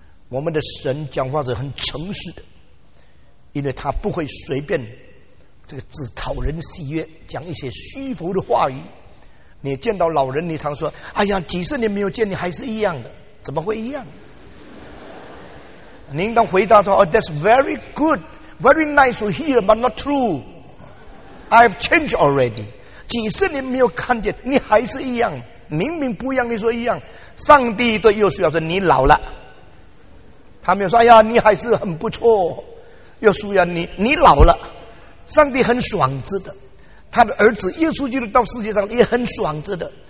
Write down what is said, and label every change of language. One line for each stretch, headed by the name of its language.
Chinese: 我们的神讲话是很诚实的，因为他不会随便这个只讨人喜悦讲一些虚浮的话语。你见到老人你常说，哎呀，几十年没有见你还是一样的，怎么会一样？你应当回答说，
English: oh, That's very good, very nice to hear, but not true. I've changed already.
Chinese: 几十年没有看见你还是一样，明明不一样你说一样。上帝对约书亚说，你老了。他没有说，哎呀，你还是很不错，约书亚，你老了。上帝很爽直的，他的儿子耶稣基督到世界上也很爽着的。